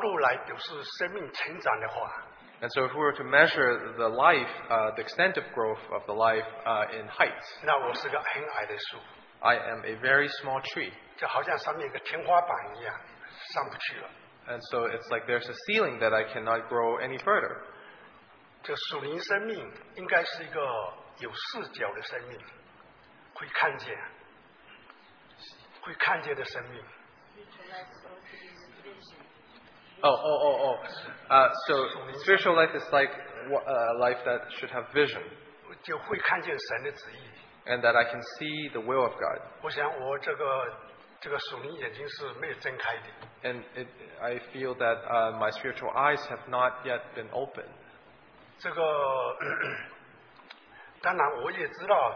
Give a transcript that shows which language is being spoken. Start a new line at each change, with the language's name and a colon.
Chinese: 如果说用高度来表示生命成长的话,
English: and so if we were to measure the life, the extent of growth of the life in height,
Chinese: 那我是个很矮的树,
English: I am a very small tree.
Chinese: 就好像上面一个天花板一样，上不去了。
English: And so it's like there's a ceiling that I cannot grow any further.
Chinese: 这属灵生命应该是一个有视角的生命，会看见，会看见的生命。
English: So spiritual life is like a life that should have vision.
Chinese: 就会看见神的旨意。
English: And that I can see the will of God.
Chinese: 我想我这个
English: And I feel that my spiritual eyes have not yet been opened.